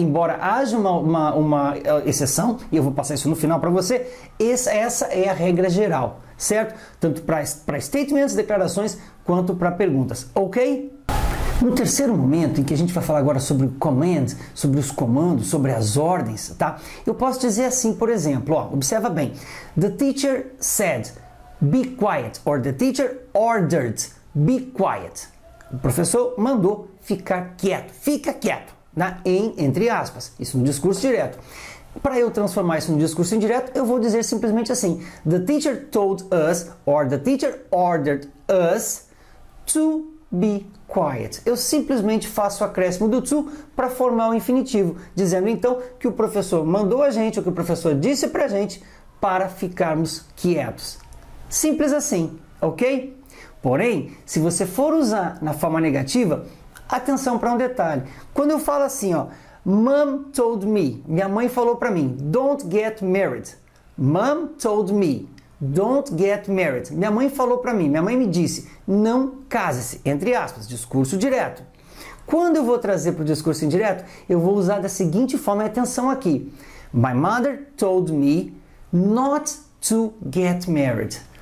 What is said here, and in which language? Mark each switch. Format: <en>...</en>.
<pt>Embora haja uma exceção, e eu vou passar isso no final para você, essa é a regra geral, certo? Tanto para statements, declarações, quanto para perguntas. Ok? No terceiro momento, em que a gente vai falar agora sobre command, sobre os comandos, sobre as ordens, tá? Eu posso dizer assim, por exemplo, ó, observa bem.</pt> <en>The teacher said, be quiet, or the teacher ordered, be quiet.</en> <pt>O professor mandou ficar quieto, fica quieto, na em entre aspas, isso no discurso direto. Para eu transformar isso num discurso indireto, eu vou dizer simplesmente assim:</pt> <en>The teacher told us, or the teacher ordered us to be quiet.</en> <pt>Eu simplesmente faço o acréscimo do to para formar o infinitivo, dizendo então que o professor mandou a gente, ou que o professor disse para a gente, para ficarmos quietos. Simples assim, ok? Porém, se você for usar na forma negativa, atenção para um detalhe. Quando eu falo assim, ó,</pt> <en>Mom told me,</en> <pt>minha mãe falou para mim,</pt> <en>don't get married. Mom told me, don't get married.</en> <pt>Minha mãe falou para mim, minha mãe me disse, não case-se, entre aspas, discurso direto. Quando eu vou trazer para o discurso indireto, eu vou usar da seguinte forma, atenção aqui.</pt> <en>My mother told me not to get married.</en>